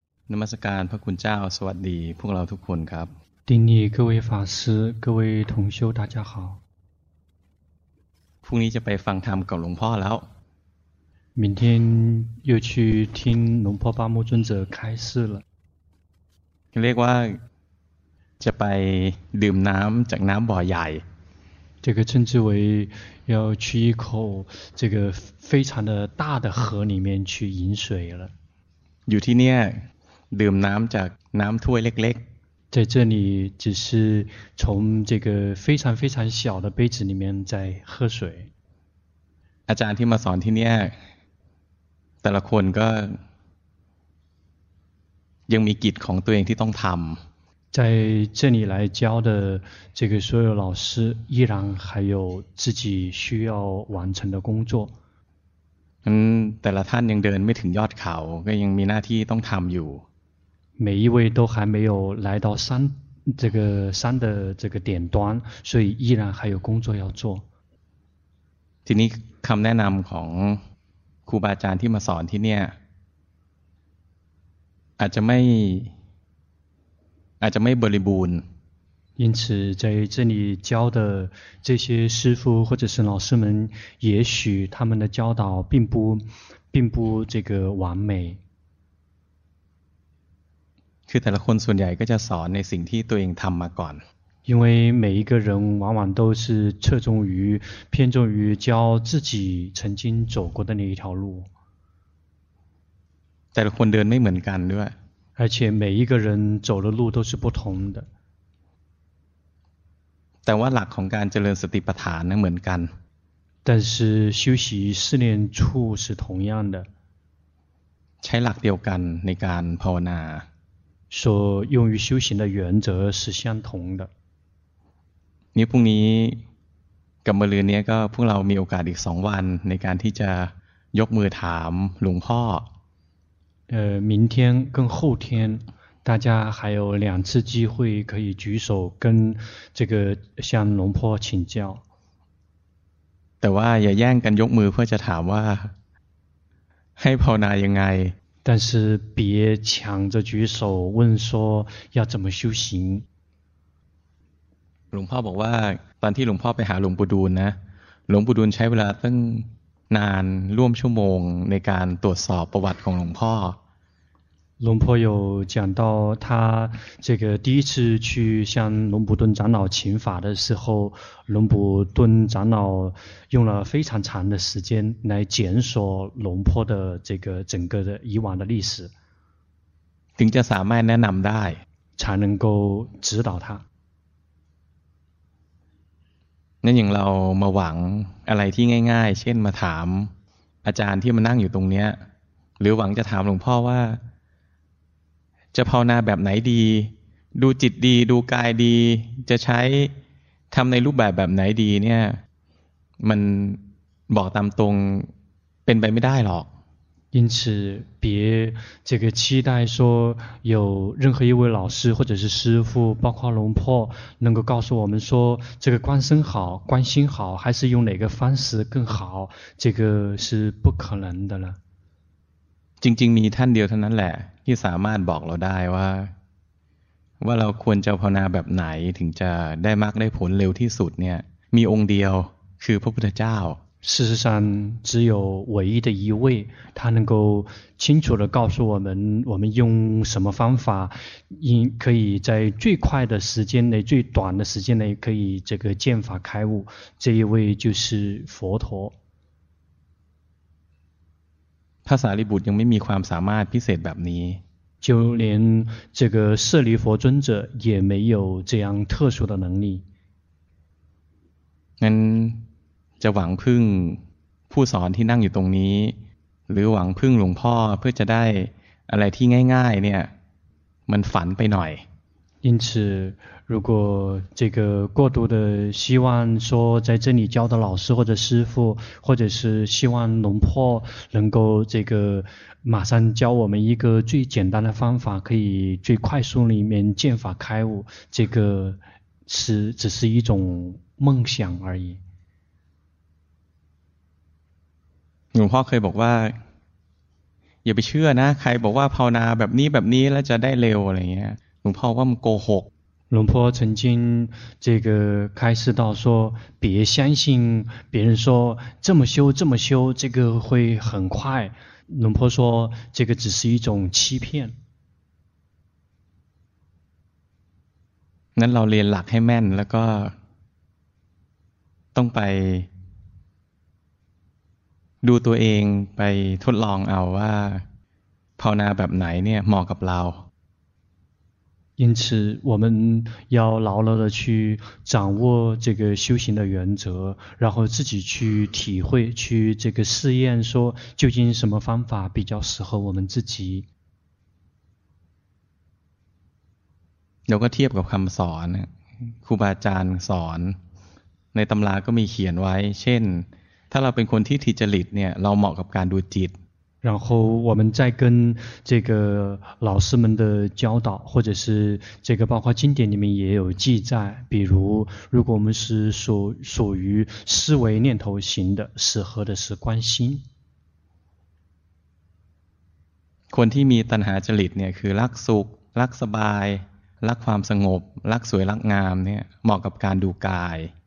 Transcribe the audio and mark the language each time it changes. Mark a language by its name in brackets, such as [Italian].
[Thai] นมัสการพระคุณเจ้าสวัสดีพวกเราทุกคนครับ [Chinese] 定义各位法师各位同修大家好 [Thai] พรุ่งนี้จะไปฟังธรรมกับหลวงพ่อแล้ว [Chinese] 明天又去听龙婆巴木尊者开示了 [Thai] เรียกว่าจะไปดื่มน้ำจากน้ำบ่อใหญ่ [Chinese] 这个称之为要去一口这个非常的大的河里面去饮水了 [Thai] อยู่ที่เนี่ยดื่มน้ำจากน้ำถ้วยเล็ก [Chinese] ๆ在这里只是从这个非常非常小的杯子里面在喝水 [Thai] อาจารย์ที่มาสอนที่นี่แต่ละคนก็ยังมีกิจของตัวเองที่ต้องทำ [Chinese] 在这里来教的这个所有老师依然还有自己需要完成的工作 [Thai] แต่ละท่านยังเดินไม่ถึงยอดเขาก็ยังมีหน้าที่ต้องทำอยู่ [Chinese] 每一位都还没有来到山这个山的这个点端所以依然还有工作要做 [Thai] ทีนี้คำแนะนำของครูบาอาจารย์ที่มาสอนที่เนี่ยอาจจะไม่บริบูรณ์ [Chinese] 因此在这里教的这些师父或者是老师们也许他们的教导并不这个完美 [Thai] คือแต่ละคนส่วนใหญ่ก็จะสอนในสิ่งที่ตัวเองทำมาก่อน [Chinese] 因为每一个人往往都是侧重于偏重于教自己曾经走过的那一条路 [Thai] แต่ละคนเดินไม่เหมือนกันด้วย [Chinese] 而且每一个人走的路都是不同的 [Thai] แต่ว่าหลักของการเจริญสติปัฏฐานนั้นเหมือนกัน [Chinese] 但是修习四念处是同样的 [Thai] ใช้หลักเดียวกันในการภาวนา [Chinese] so用于修行的原则是相同的 [Thai] นี่พรุ่งนี้กับมะรืนนี้ก็พวกเรามีโอกาสอีก2วันในการที่จะยกมือถามหลวงพ่อ [Chinese] 明天跟后天大家还有两次机会可以举手跟这个向龙婆请教 [Thai] แต่ว่าอย่าแย่งกันยกมือเพื่อจะถามว่าให้ภาวนายังไง [Chinese] 但是别抢着举手问说要怎么修行 [Thai] หลวงพ่อบอกว่าตอนที่หลวงพ่อไปหาหลวงปู่ดูลนะหลวงปู่ดูลใช้เวลาตั้งนานร่วมชั่วโมงในการตรวจสอบประวัติของหลวงพ่อ [Chinese] หลวงพ่อ有讲到他这个第一次去向龙普顿长老请法的时候龙普顿长老用了非常长的时间来检索龙坡的这个整个的以往的历史 [Thai] ถึงจะสามารถแนะนำได้ [Chinese] 才能够指导他 [Thai] นั่นอย่างเรามาหวังอะไรที่ง่ายๆเช่นมาถามอาจารย์ที่มานั่งอยู่ตรงเนี้ยหรือหวังจะถามหลวงพ่อว่าจะภาวนาแบบไหนดีดูจิตดีดูกายดีจะใช้ทำในรูปแบบไหนดีเนี่ยมันบอกตามตรงเป็นไปไม่ได้หรอก [Chinese] 因此别这个期待说有任何一位老师或者是师父包括龙婆能够告诉我们说这个观身好观心好还是用哪个方式更好这个是不可能的了 [Thai] จริงๆมีท่านเดียวเท่านั้นแหละที่สามารถบอกเราได้ว่าเราควรจะภาวนาแบบไหนถึงจะได้มรรคได้ผลเร็วที่สุดเนี่ยมีองค์เดียวคือพระพุทธเจ้า [Chinese] 事实上只有唯一的一位他能够清楚地告诉我们用什么方法可以在最快的时间内最短的时间内可以这个见法开悟这一位就是佛陀 [Thai] พระสารีบุตรยังไม่มีความสามารถพิเศษแบบนี้ [Chinese] 就连这个舍利弗尊者也没有这样特殊的能力。 [Thai] 那จะหวังพึ่งผู้สอนที่นั่งอยู่ตรงนี้หรือหวังพึ่งหลวงพ่อเพื่อจะได้อะไรที่ง่ายๆเนี่ยมันฝันไปหน่อย [Chinese] 因此如果这个过度的希望说在这里教的老师或者师父或者是希望龙婆能够这个马上教我们一个最简单的方法可以最快速里面见法开悟这个是只是一种梦想而已龙婆可以 [Thai] บอกว่า อย่าไปเชื่อนะใครบอกว่าภาวนาแบบนี้แบบนี้แล้วจะได้เร็วอะไรเงี้ยหลวงพ่อว่ามันโกหก [Chinese] หลวงพ่อ曾经这个开示到说别相信别人说这么修这么修这个会很快หลวงพ่อ说这个只是一种欺骗 [Thai] นั้นเราเรียนหลักให้แม่นแล้วก็ต้องไปดูตัวเองไปทดลองเอาว่าภาวนาแบบไหนเนี่ยเหมาะกับเรา [Chinese] 因此我们要牢牢地去掌握这个修行的原则然后自己去体会去这个试验说究竟什么方法比较适合我们自己 [Thai] เราก็เทียบกับคำสอนครูบาอาจารย์สอนในตำราก็มีเขียนไว้เช่นถ้าเราเป็นคนที่ทุจริตเนี่ยเราเหมาะกับการดูจิต [Chinese] 然后我们再跟这个老师们的教导或者是这个包括经典里面也有记载比如如果我们是 属于思维念头型的适合的是观心 [Thai] คนที่มีตัณหาจริตเนี่ยคือรักสุขรักสบายรักความสงบรักสวยรักงามเนี่ยเหมาะกับการดูกาย